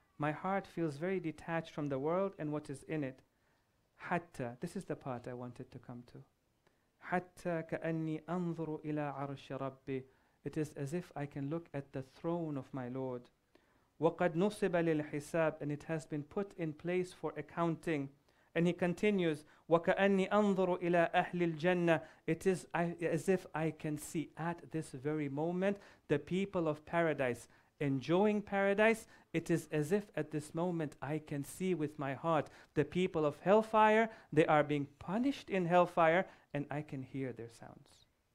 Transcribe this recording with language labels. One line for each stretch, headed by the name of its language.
English: My heart feels very detached from the world and what is in it.
Arabic: حَتَّى.
English: This is the part I wanted to come to.
Arabic: حَتَّى كَأَنِّي أَنظُرُ إِلَىٰ عَرْشِ رَبِّي.
English: It is as if I can look at the throne of my Lord.
Arabic: وَقَدْ نُصِبَ لِلْحِسَابِ.
English: And it has been put in place for accounting. And he continues,
Arabic: وَكَأَنِّي أَنظُرُ إِلَىٰ أَهْلِ الْجَنَّةِ.
English: It is as if I can see at this very moment the people of paradise. enjoying paradise, it is as if at this moment I can see with my heart the people of hellfire, they are being punished in hellfire, and I can hear their sounds.